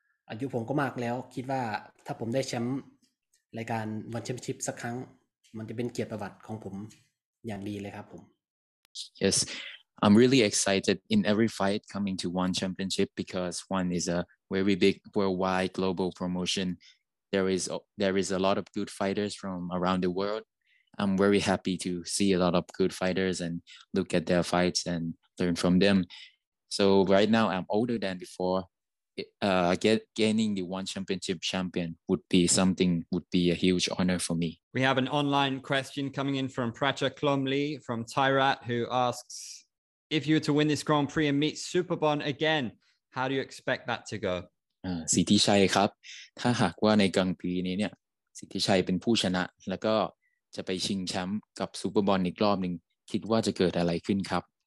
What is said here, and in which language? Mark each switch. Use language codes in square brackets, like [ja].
[th] อายุผมก็มากแล้วคิดว่าถ้าผมได้แชมป์รายการวันแชมเปี้ยนชิพสักครั้งมันจะเป็นเกียรติประวัติของผมอย่างดีเลยครับผม [en] Yes I'm really excited in every fight coming to one championship because one is a very big worldwide global promotion. There is a lot of good fighters from around the world. I'm very happy to see a lot of good fighters and look at their fights and learn from them. So right now I'm older than before. Gaining the one championship champion would be a huge honor for me. We have an online question coming in from Pracha Klomli from Thairat who asks, if you were to win this Grand Prix and meet Superbon again, how do you expect that to go? [th] สิทธิชัยครับถ้าหากว่าในกลางปีนี้เนี่ยสิทธิชัยเป็นผู้ชนะแล้วก็จะไปชิงแชมป์กับซูเปอร์บอนอีกรอบหนึ่งคิดว่าจะเกิดอะไรขึ้นครับ